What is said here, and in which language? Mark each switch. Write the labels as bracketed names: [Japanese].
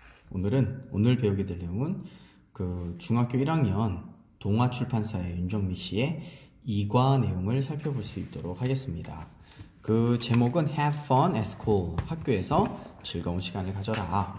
[Korean] 오늘 배우게 될 내용은 중학교 1학년 동화 출판사의 윤정미 씨의 2과 내용을 살펴볼 수 있도록 하겠습니다. 그 제목은 [English] Have fun at school. [Korean] 학교에서 즐거운 시간을 가져라.